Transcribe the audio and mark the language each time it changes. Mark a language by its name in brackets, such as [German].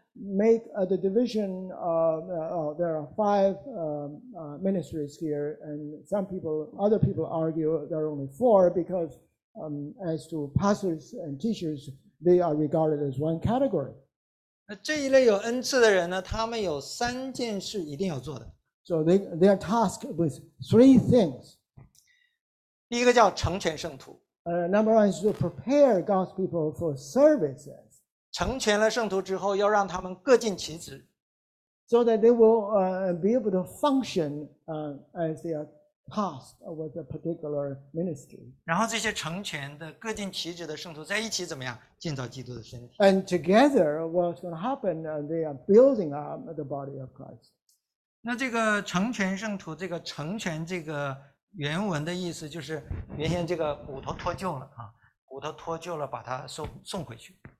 [English] Make the division there are five ministries here, and other people argue there are only four because, as to pastors and teachers, they are regarded as one category. [Chinese] 那这一类有恩赐的人呢，他们有三件事一定要做的。 [English] So they are tasked with three things. [Chinese] 第一个叫成全圣徒。 [English] Number one is to prepare God's people for service. [Chinese] 成全了圣徒之后，要让他们各尽其职 [English] ，so that they will be able to function as they are tasked with a particular ministry. [Chinese] 然后这些成全的、各尽其职的圣徒在一起怎么样建造基督的身体 [English] ？And together, what's going to happen? They are building up the body of Christ. [Chinese] 那这个成全圣徒，这个成全这个原文的意思就是原先这个骨头脱臼了啊，骨头脱臼了，把它送回去。